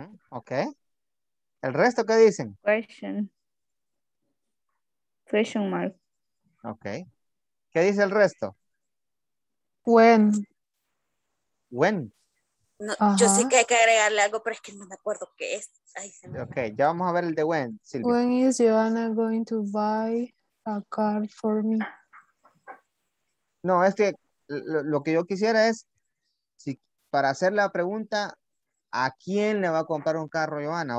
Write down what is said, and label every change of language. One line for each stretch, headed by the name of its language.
Spanish: Okay. ¿El resto qué dicen?
English: Question. Question mark.
Spanish: Ok. ¿Qué dice el resto?
English: When. When.
Spanish: No, yo sé que hay que agregarle algo, pero es que no me acuerdo qué es. Ay, se me... Ok, ya vamos a ver el de when, Silvia.
English: When is Joana going to buy a car for me?
Spanish: No, es que lo que yo quisiera es, si, para hacer la pregunta... ¿A quién le va a comprar un carro, Joana?